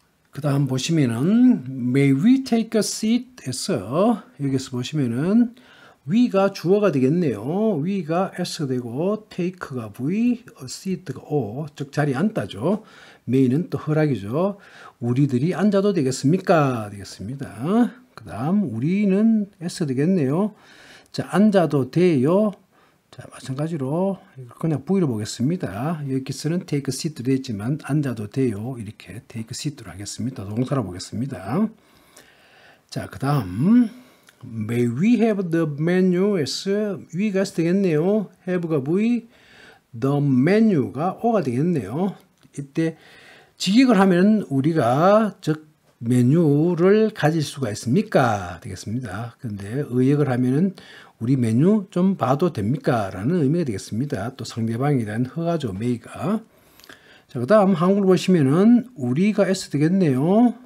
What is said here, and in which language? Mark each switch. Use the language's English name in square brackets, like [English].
[Korean] 그 다음 보시면은 [English] May we take a seat? [Korean] 에서 여기서 보시면은 we가 주어가 되겠네요. we가 s가 되고 take가 v, seat가 o 즉 자리에 앉다죠. may는 또 허락이죠. 우리들이 앉아도 되겠습니까? 되겠습니다. 그 다음 우리는 s가 되겠네요. 자, 앉아도 돼요. 자, 마찬가지로 그냥 V로 보겠습니다. 여기서는 [English] take a seat [Korean] 되지만 앉아도 돼요. 이렇게 take a seat로 하겠습니다. 동사로 보겠습니다. 자, 그 다음 [English] May we have the menu? [Korean] 에서 we가 S 되겠네요. have가 V, the menu가 O가 되겠네요. 이때 직역을 하면 우리가 즉 메뉴를 가질 수가 있습니까? 되겠습니다. 그런데 의역을 하면은 우리 메뉴 좀 봐도 됩니까? 라는 의미가 되겠습니다. 또 상대방에 대한 허가죠. 메이가. 자, 그 다음 한국을 보시면은 우리가 S 되겠네요.